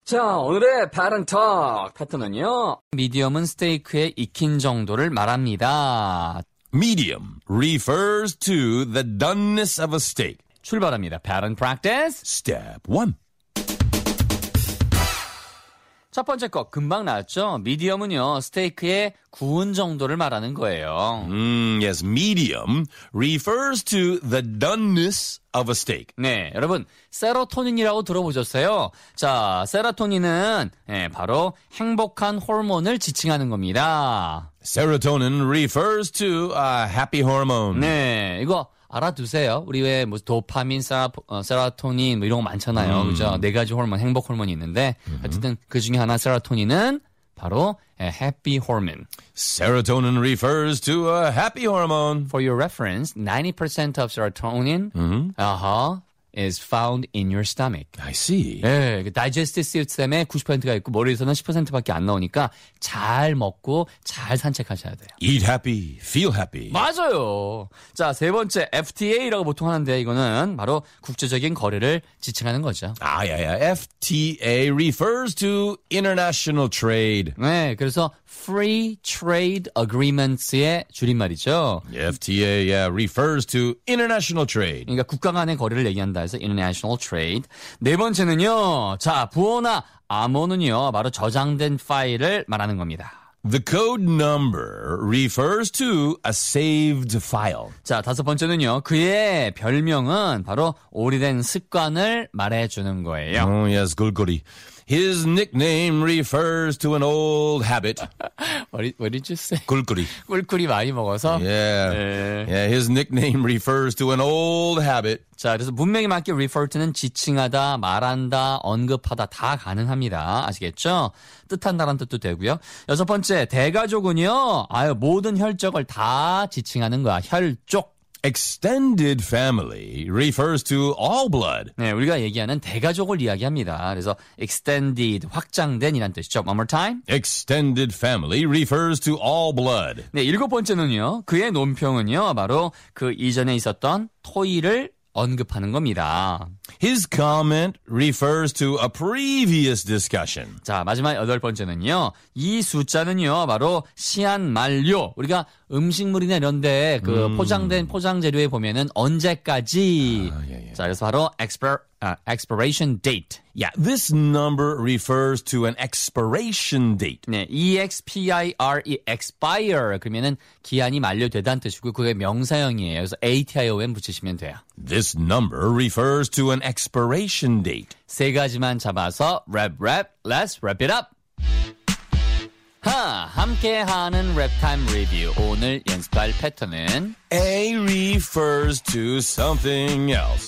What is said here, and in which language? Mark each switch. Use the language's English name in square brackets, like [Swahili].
[Korean] 자, 오늘의 바른톡 패턴은요. 미디엄은 스테이크에 익힌 정도를 말합니다. [English] Medium refers to the doneness of a steak. [Korean] 출발합니다. [English] Pattern practice. Step 1. [Korean] 첫 번째 거 금방 나왔죠? 미디엄은요, 스테이크의 구운 정도를 말하는 거예요. [English] Yes, medium refers to the doneness of a steak. [Korean] 네, 여러분, 세로토닌이라고 들어보셨어요? 자, 세로토닌은 네, 바로 행복한 호르몬을 지칭하는 겁니다. [English] Serotonin refers to a happy hormone. [Korean] 네, 이거 알아두세요. 우리 왜 뭐 도파민, 세로토닌 뭐 이런 거 많잖아요. 그죠? 네 가지 호르몬, 행복 호르몬이 있는데 어쨌든 그 중에 하나 세로토닌은 바로 [English] happy hormone. Serotonin refers to a happy hormone. For your reference, 90% of serotonin is found in your stomach. I see. [Korean] 예, 네, 그 [English] digestive system [Korean] 에 90%가 있고 머리에서는 10%밖에 안 나오니까 잘 먹고 잘 산책하셔야 돼요. [English] Eat happy, feel happy. [Korean] 맞아요. 자, 세 번째 FTA라고 보통 하는데 이거는 바로 국제적인 거래를 지칭하는 거죠. [English] 아, 야야. FTA refers to international trade. [Korean] 네, 그래서 [English] free trade agreements [Korean] 의 줄임말이죠. [English] FTA refers to international trade. [Korean] 그러니까 국가 간의 거래를 얘기한다. [English] 그래서 international trade. [Korean] 네 번째는요. 자, 부호나 암호는요. 바로 저장된 파일을 말하는 겁니다. [English] The code number refers to a saved file. [Korean] 자, 다섯 번째는요. 그의 별명은 바로 오래된 습관을 말해주는 거예요. [English] Oh, yes, 골고리. His nickname refers to an old habit. What did you say? [Korean] 꿀꿀이. 꿀꿀이 많이 먹어서? [English] Yeah. Yeah. His nickname refers to an old habit. [Korean] 자, 그래서 문맥에 맞게 [English] refer to [Korean] 는 지칭하다, 말한다, 언급하다 다 가능합니다. 아시겠죠? 뜻한다란 뜻도 되고요. 여섯 번째, 대가족은요. 아유, 모든 혈족을 다 지칭하는 거야. 혈족. [English] Extended family refers to all blood. [Korean] 네, 우리가 얘기하는 대가족을 이야기합니다. 그래서 extended, 확장된이란 뜻이죠. [English] One more time. Extended family refers to all blood. [Korean] 네, 일곱 번째는요. 그의 논평은요. 바로 그 이전에 있었던 토의를 언급하는 겁니다. [English] His comment refers to a previous discussion. [Korean] 자, 마지막 여덟 번째는요. 이 숫자는요. 바로 시한 만료. 우리가 음식물이나 이런 데 그 포장된 포장 재료에 보면은 언제까지. 아, 예, 예. 자, 그래서 바로 [English] expiration date. Yeah, this number refers to an expiration date. 네, E-X-P-I-R-E, expire. [Korean] 그러면은 기한이 만료되다는 뜻이고 그게 명사형이에요. 그래서 A-T-I-O-N 붙이시면 돼요. [English] This number refers to an expiration date. [Korean] 세 가지만 잡아서 랩, [English] let's wrap it up. [Korean] 함께하는 랩타임 리뷰. 오늘 연습할 패턴은 [English] A refers to something else.